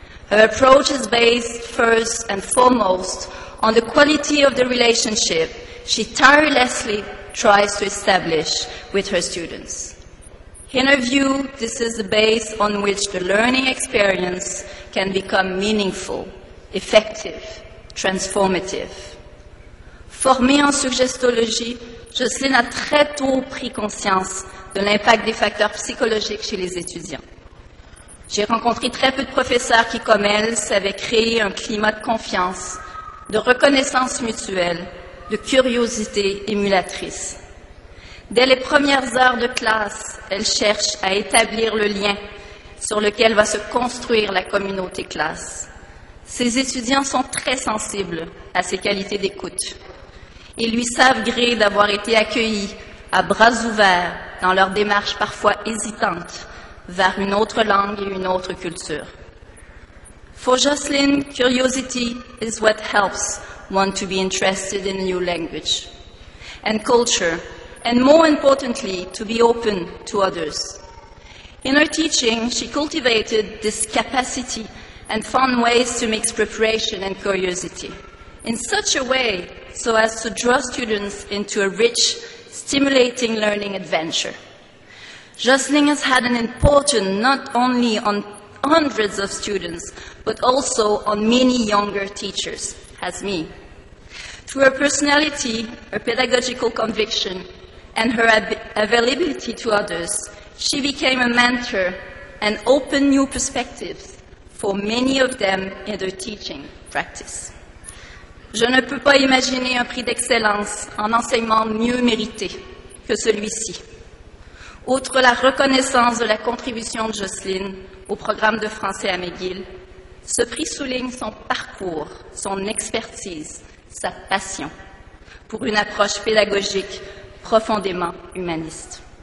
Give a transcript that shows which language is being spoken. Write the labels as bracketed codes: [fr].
[en] Her approach is based first and foremost on the quality of the relationship she tirelessly tries to establish with her students. In her view, this is the base on which the learning experience can become meaningful, effective, transformative. [fr] Formée en suggestologie, Jocelyne a très tôt pris conscience de l'impact des facteurs psychologiques chez les étudiants. J'ai rencontré très peu de professeurs qui, comme elle, savaient créer un climat de confiance, de reconnaissance mutuelle, de curiosité émulatrice. Dès les premières heures de classe, elle cherche à établir le lien sur lequel va se construire la communauté classe. Ses étudiants sont très sensibles à ses qualités d'écoute. Ils lui savent gré d'avoir été accueillis à bras ouverts dans leur démarche parfois hésitante vers une autre langue et une autre culture. [en] For Jocelyn, curiosity is what helps one to be interested in a new language and culture, and more importantly, to be open to others. In her teaching, she cultivated this capacity and found ways to mix preparation and curiosity in such a way so as to draw students into a rich, stimulating learning adventure. Jocelyn has had an important not only on hundreds of students, but also on many younger teachers, as me. Through her personality, her pedagogical conviction, and her availability to others, she became a mentor and opened new perspectives for many of them in their teaching practice. [fr] Je ne peux pas imaginer un prix d'excellence en enseignement mieux mérité que celui-ci. Outre la reconnaissance de la contribution de Jocelyn au programme de français à McGill, ce prix souligne son parcours, son expertise, sa passion pour une approche pédagogique profondément humaniste.